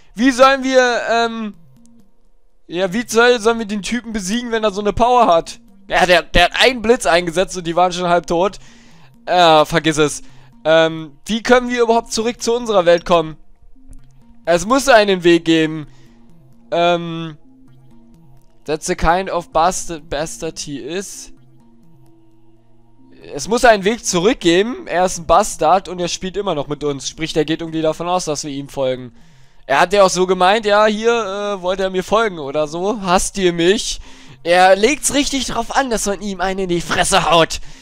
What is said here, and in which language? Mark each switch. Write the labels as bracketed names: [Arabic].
[German] Wie sollen wir den Typen besiegen, wenn er so eine Power hat? Ja, der hat einen Blitz eingesetzt und die waren schon halb tot. Vergiss es. Wie können wir überhaupt zurück zu unserer Welt kommen? Es muss einen Weg geben. [English] That's the kind of bastard he is. [German] Es muss einen Weg zurückgeben. Er ist ein Bastard und er spielt immer noch mit uns. Sprich, er geht irgendwie davon aus, dass wir ihm folgen. Er hat ja auch so gemeint, ja, hier wollte er mir folgen oder so. Hasst ihr mich? Er legt's richtig drauf an, dass man ihm einen in die Fresse haut.